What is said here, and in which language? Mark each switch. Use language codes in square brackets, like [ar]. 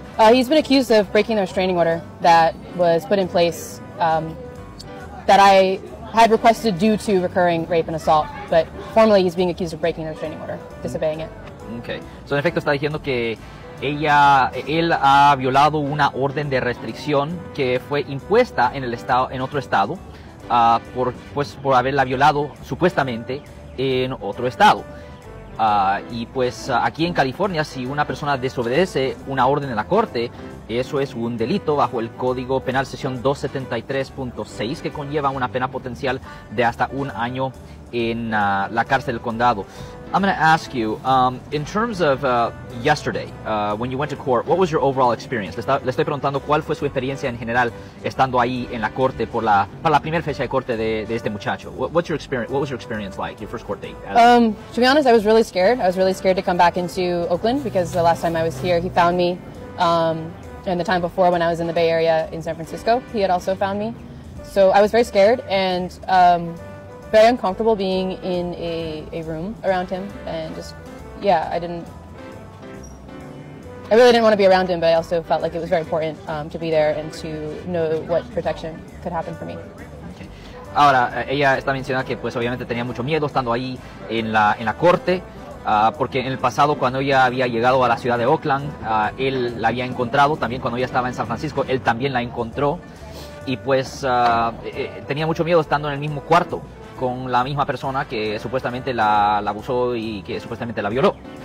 [en] He's been accused of breaking the restraining order that was put in place that I had requested due to recurring rape and assault, but formally he's being accused of breaking the restraining order, disobeying it. Okay, so [es] en efecto está diciendo que él ha violado una orden de restricción que fue impuesta en el estado, en otro estado, por haberla violado supuestamente en otro estado. Y pues aquí en California, si una persona desobedece una orden de la corte, eso es un delito bajo el Código Penal sección 273.6, que conlleva una pena potencial de hasta un año en la cárcel del condado. [en] I'm going to ask you, in terms of yesterday, when you went to court, what was your overall experience? [es] Le estoy preguntando cuál fue su experiencia en general estando ahí en la corte para la primera fecha de corte de este muchacho. [en] What's your experience? What was your experience like, your first court date? To be honest, I was really scared. I was really scared to come back into Oakland because the last time I was here, he found me. And the time before when I was in the Bay Area in San Francisco, he had also found me. So I was very scared and very uncomfortable being in a room around him, and just, yeah, I really didn't want to be around him, but I also felt like it was very important to be there and to know what protection could happen for me. Okay. [es] Ahora, ella está mencionando que pues obviamente tenía mucho miedo estando ahí en la corte, porque en el pasado cuando ella había llegado a la ciudad de Oakland, él la había encontrado, también cuando ella estaba en San Francisco, él también la encontró, y pues tenía mucho miedo estando en el mismo cuarto con la misma persona que supuestamente la abusó y que supuestamente la violó.